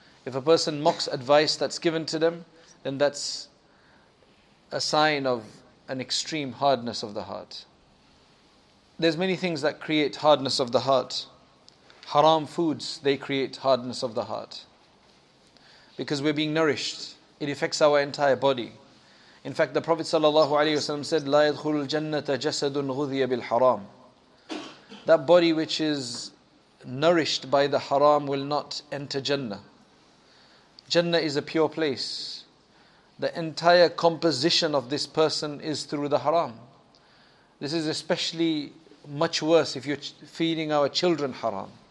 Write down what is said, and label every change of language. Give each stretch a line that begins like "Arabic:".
English: If a person mocks advice that's given to them, then that's a sign of an extreme hardness of the heart. There's many things that create hardness of the heart. Haram foods, they create hardness of the heart. Because we're being nourished. It affects our entire body. In fact, the Prophet ﷺ said,
Arabic: لَا يَدْخُلُ الْجَنَّةَ جَسَدٌ غُذِيَ بِالْحَرَامِ.
English: That body which is nourished by the haram will not enter Jannah. Jannah is a pure place. The entire composition of this person is through the haram. This is especially much worse if you're feeding our children haram.